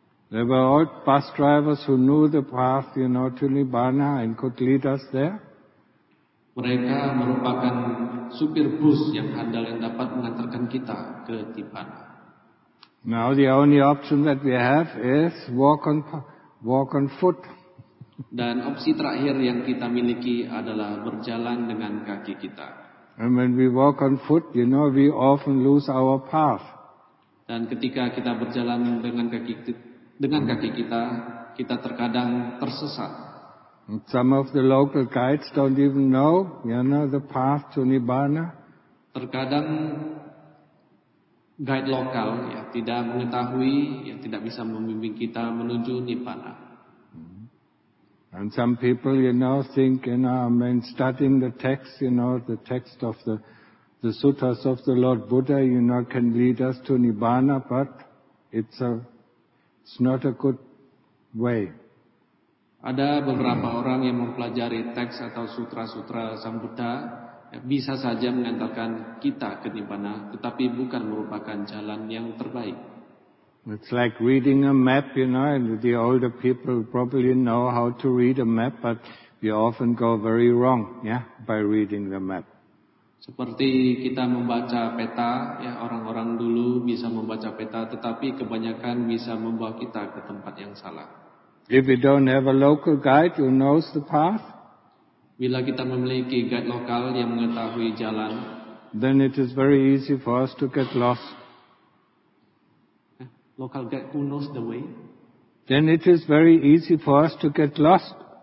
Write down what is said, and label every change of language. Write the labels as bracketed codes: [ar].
[en] There were all bus drivers who knew the path, you know, to Nibbana and could lead us there. [id] Mereka merupakan supir bus yang handal yang dapat mengantarkan kita ke Nibbana. [en] Now the only option that we have is walk on foot. [id] Dan opsi terakhir yang kita miliki adalah berjalan dengan kaki kita. [en] And when we walk on foot, you know, we often lose our path. [id] Dan ketika kita berjalan dengan kaki kita, kita terkadang tersesat. [en] And some of the local guides don't even know, you know, the path to Nibbana. [id] Terkadang guide lokal ya tidak mengetahui, ya tidak bisa membimbing kita menuju Nibbana. [en] And some people, you know, think, you know, I mean, studying the text, you know, the text of the suttas of the Lord Buddha, you know, can lead us to Nibbana, but it's not a good way. [id] Ada beberapa orang yang mempelajari teks atau sutra-sutra Sang Buddha, bisa saja mengantarkan kita ke Nibbana, tetapi bukan merupakan jalan yang terbaik. [en] It's like reading a map, you know, and the older people probably know how to read a map, but we often go very wrong, yeah, by reading the map. [id] Seperti kita membaca peta, ya, orang-orang dulu bisa membaca peta, tetapi kebanyakan bisa membawa kita ke tempat yang salah. [en] If you don't have a local guide who knows the path, [id] bila kita memiliki guide lokal yang mengetahui jalan, [en] then it is very easy for us to get lost. Local guide who knows the way? Then it is very easy for us to get lost.